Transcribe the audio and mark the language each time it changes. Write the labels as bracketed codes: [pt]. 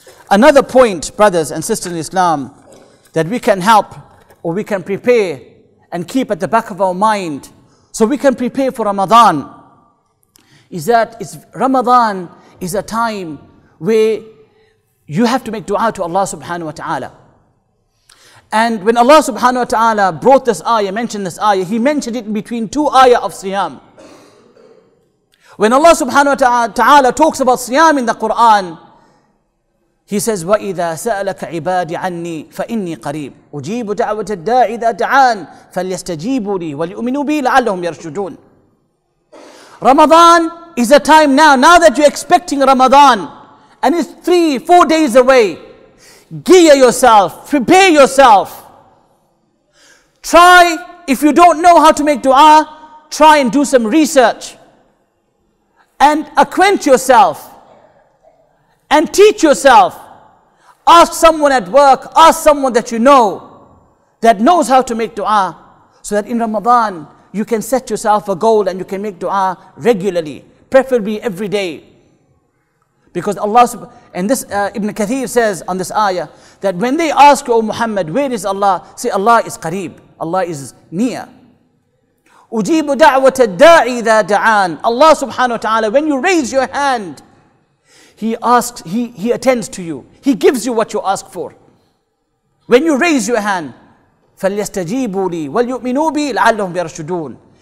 [en] Another point, brothers and sisters in Islam, that we can help or we can prepare and keep at the back of our mind so we can prepare for Ramadan, is that Ramadan is a time where you have to make dua to Allah subhanahu wa ta'ala. And when Allah subhanahu wa ta'ala brought this ayah, mentioned this ayah, He mentioned it in between two ayah of Siyam. When Allah subhanahu wa ta'ala talks about Siyam in the Quran, He says, [ar] وَإِذَا سَأَلَكَ عِبَادِ عَنِّي فَإِنِّي قَرِيبٌ أُجِيبُ دَعْوَةَ الدَّاعِ إِذَا دَعَانِ فَلْيَسْتَجِيبُوا لِي وَلْيُؤْمِنُوا بِي لَعَلَّهُمْ يَرْشُدُونَ. [en] Ramadan is a time now that you're expecting Ramadan, and it's 3-4 days away. Gear yourself, prepare yourself. Try, if you don't know how to make dua, try and do some research. And acquaint yourself. And teach yourself. Ask someone at work, ask someone that you know, that knows how to make dua, so that in Ramadan, you can set yourself a goal and you can make dua regularly, preferably every day. Because Allah, and this Ibn Kathir says on this ayah, that when they ask you, O Muhammad, where is Allah? Say, Allah is qareeb, Allah is near. [ar] Ujibu da'wata da'i idha da'an. [en] Allah subhanahu wa ta'ala, when you raise your hand, He attends to you. He gives you what you ask for. When you raise your hand, [ar] فَلْيَسْتَجِيبُوا لِي وَلْيُؤْمِنُوا بِي لَعَلَّهُمْ يَرْشُدُونَ.